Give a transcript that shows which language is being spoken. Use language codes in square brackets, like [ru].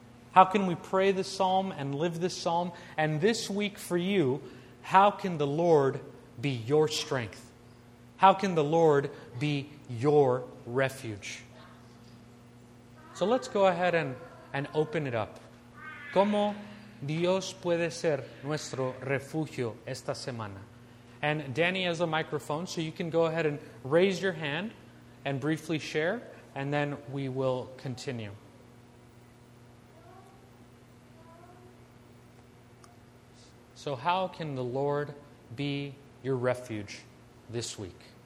[en] How can we pray this psalm and live this psalm? And this week for you, how can the Lord be your strength? How can the Lord be your refuge? So let's go ahead and open it up. [es] ¿Cómo Dios puede ser nuestro refugio esta semana? [en] And Danny has a microphone, so you can go ahead and raise your hand and briefly share, and then we will continue. So how can the Lord be your refuge this week?